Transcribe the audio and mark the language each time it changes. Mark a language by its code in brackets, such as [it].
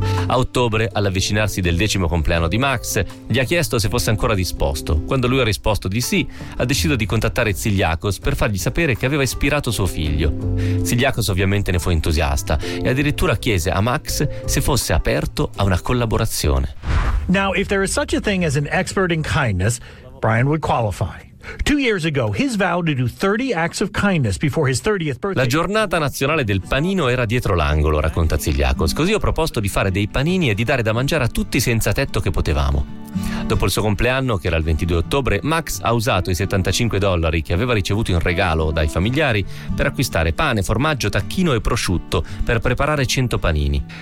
[it] A ottobre, all'avvicinarsi del 10° compleanno di Max, gli ha chiesto se fosse ancora disposto. Quando lui ha risposto di sì, ha deciso di contattare Siliakos per fargli sapere che aveva ispirato suo figlio. Siliakos ovviamente ne fu entusiasta e addirittura chiese a Max se fosse aperto a una collaborazione. [en] Now, if there is such a thing as an expert in kindness, Brian would qualify. [it] La giornata nazionale del panino era dietro l'angolo, racconta Siliakos. Così ho proposto di fare dei panini e di dare da mangiare a tutti senza tetto che potevamo. Dopo il suo compleanno, che era il 22 ottobre, Max ha usato i $75 che aveva ricevuto in regalo dai familiari per acquistare pane, formaggio, tacchino e prosciutto per preparare 100 panini.